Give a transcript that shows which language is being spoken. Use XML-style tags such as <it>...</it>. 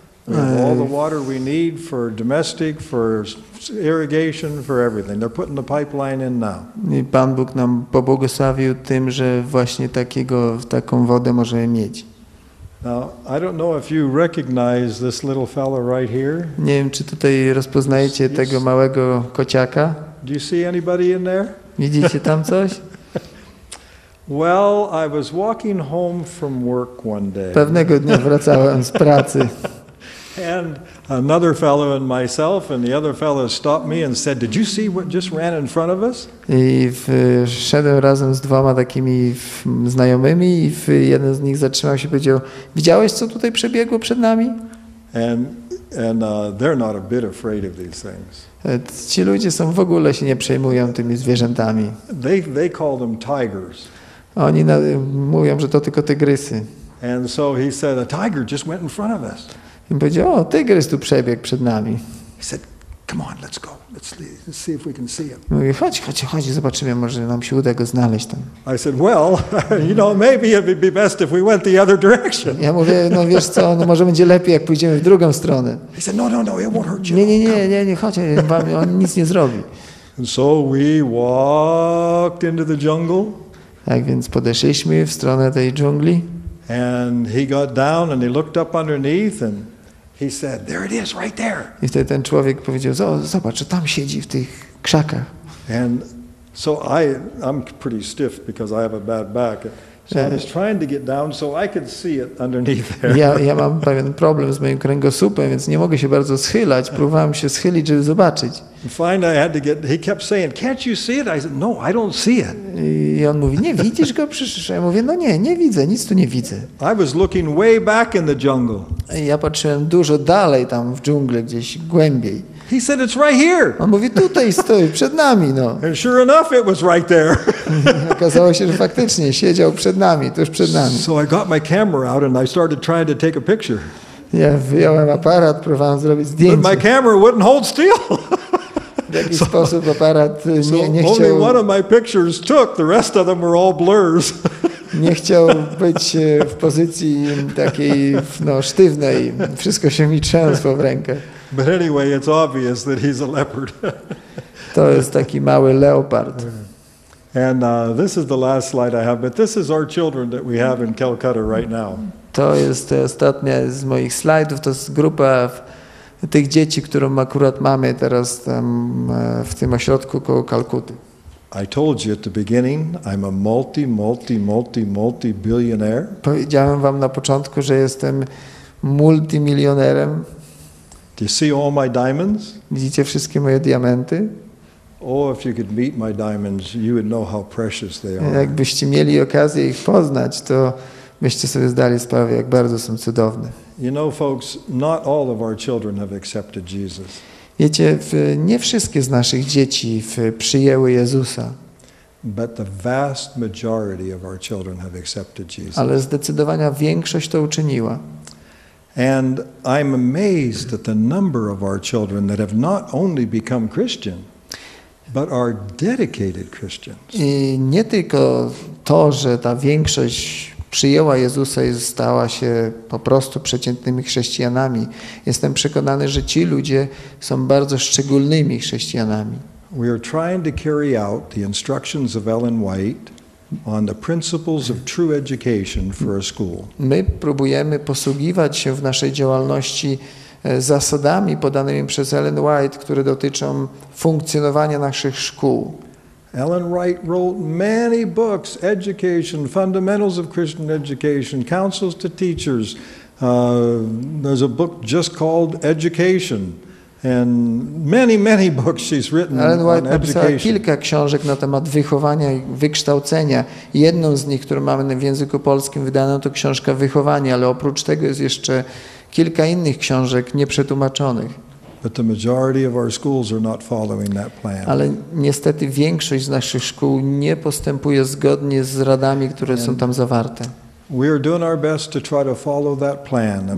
<en>We have all the water we need for domestic, for irrigation, for everything. They're putting the pipeline in now.</en> <pl>I Pan Bóg nam pobłogosławił tym, że właśnie taką wodę możemy mieć.</pl> <en>Now, I don't know if you recognize this little fellow right here.</en> <pl>Nie wiem, czy tutaj rozpoznajecie tego małego kociaka.</pl> <en>Do you see anybody in there?</en> <pl>Widzicie tam coś?</pl> <en>Well, I was walking home from work one day.</en> <pl>Pewnego dnia wracałem z pracy.</pl> <en>And another fellow and myself and the other fellow stopped me and said, "Did you see what just ran in front of us?"</en> <pl>I szedłem razem z dwoma takimi znajomymi i jeden z nich zatrzymał się i powiedział, "Widziałeś, co tutaj przebiegło przed nami?"</pl> <en>And they're not a bit afraid of these things.</en> <pl>Ci ludzie są w ogóle się nie przejmują tymi zwierzętami.</pl> <en>They call them tigers.</en> <pl>Oni mówią, że to tylko tygrysy.</pl> <en>And so he said, "A tiger just went in front of us."</en> <pl>I powiedział, o, tygrys tu przebiegł przed nami.</pl> <en>He said, "Come on, let's go. Let's see if we can see him."</en> <pl>Mówi, chodź, zobaczymy, może nam się uda go znaleźć tam.</pl> <en>I said, "Well, you know, maybe it would be best if we went the other direction."</en> <pl>Ja mówię, no wiesz co, no może będzie lepiej, jak pójdziemy w drugą stronę.</pl> <en>He said, no, it won't hurt you.</en> <pl>Nie, chodź, on nic nie zrobi.</pl> <en>And so we walked into the jungle.</en> <pl>Tak więc podeszliśmy w stronę tej dżungli.</pl> <en>And he got down and he looked up underneath and he said, "There it is, right there."</en> <pl>I wtedy ten człowiek powiedział, zobacz, tam siedzi w tych krzakach.</pl> <en>And so I'm pretty stiff because I have a bad back. So I was trying to get down so I could see it underneath there.</en> <pl>Ja mam pewien problem z moim kręgosłupem, więc nie mogę się bardzo schylać. Próbowałem się schylić, żeby zobaczyć.</pl> <en>Finally, I had to get. He kept saying, "Can't you see it?" I said, "No, I don't see it."</en> <pl>I on mówi, "Nie widzisz go?" Przecież ja mówię, "No nie, nie widzę, nic tu nie widzę."</pl> <en>I was looking way back in the jungle.</en> <pl>Ja patrzyłem dużo dalej tam w dżungli, gdzieś głębiej.</pl> <en>He said, "It's right here."</en> <pl>On mówi, tutaj stoi, przed nami, no.</pl> <en>And sure enough, it was right there.</en> <pl>Okazało się, że faktycznie siedział przed nami, tuż przed nami.</pl> <en>So I got my camera out and I started trying to take a picture.</en> <pl>Ja wyjąłem aparat, próbowałem zrobić zdjęcie.</pl> <en>But my camera wouldn't hold still.</en> <pl>W jakiś sposób aparat nie chciał.</pl> <en>Only one of my pictures took, the rest of them were all blurs.</en> <pl>Nie chciał być w pozycji takiej, no, sztywnej. Wszystko się mi trzęsło w rękę.</pl> <en>But anyway, it's obvious that he's a leopard.</en> <pl>To jest taki mały leopard.</pl> <en>And this is the last slide I have, but this is our children that we have in Calcutta right now.</en> <pl>To jest ostatnia z moich slajdów, to jest grupa tych dzieci, którą akurat mamy teraz tam w tym ośrodku koło Kalkuty.</pl> <en>I told you at the beginning, I'm a multi-billionaire.</en> <pl>Powiedziałem wam na początku, że jestem multimilionerem.</pl> <en>Do you see all my diamonds?</en> <pl>Widzicie wszystkie moje diamenty?</pl> <en>Oh, if you could meet my diamonds, you would know how precious they are.</en> <pl>Jakbyście mieli okazję ich poznać, to byście sobie zdali sprawę, jak bardzo są cudowne.</pl> <en>You know, folks, not all of our children have accepted Jesus.</en> <pl>Wiecie, nie wszystkie z naszych dzieci przyjęły Jezusa.</pl> <en>But the vast majority of our children have accepted Jesus.</en> <pl>Ale zdecydowanie większość to uczyniła.</pl> <en>And I'm amazed at the number of our children that have not only become Christian, but are dedicated Christians.</en> <pl>I nie tylko to, że ta większość przyjęła Jezusa i stała się po prostu przeciętnymi chrześcijanami. Jestem przekonany, że ci ludzie są bardzo szczególnymi chrześcijanami.</pl> <en>We are trying to carry out the instructions of Ellen White on the principles of true education for a school.</en> <pl>My próbujemy posługiwać się w naszej działalności zasadami podanymi przez Ellen White, które dotyczą funkcjonowania naszych szkół.</pl> <en>Ellen White wrote many books: education, fundamentals of Christian education, counsels to teachers. There's a book just called Education. And many books she's written on education.</en> <pl>Ellen White napisała kilka książek na temat wychowania i wykształcenia. Jedną z nich, którą mamy w języku polskim wydaną, to książka Wychowanie, ale oprócz tego jest jeszcze kilka innych książek nieprzetłumaczonych.</pl> <en>But the majority of our schools are not following that plan.</en> <pl>Ale niestety większość z naszych szkół nie postępuje zgodnie z radami, które są tam zawarte.</pl> <en>We are doing our best to try to follow that plan.</en>